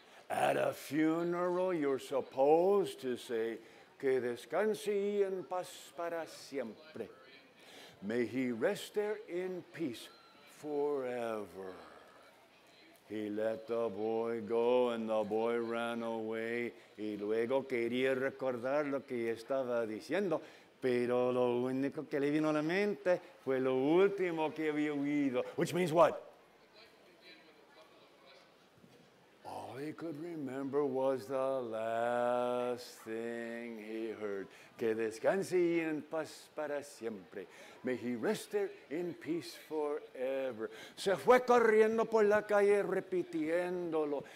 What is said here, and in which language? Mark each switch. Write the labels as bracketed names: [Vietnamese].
[English] At a funeral, you're supposed to say, [Spanish] Que descanse en paz para siempre. [English] May he rest there in peace forever. He let the boy go, and the boy ran away. [Spanish] Y luego quería recordar lo que estaba diciendo, pero lo único que le vino a la mente fue lo último que había oído. [English] Which means what? All he could remember was the last thing he heard. [Spanish] Que descanse en paz para siempre. [English] May he rest there in peace forever. [Spanish] Se fue corriendo por la calle repitiéndolo.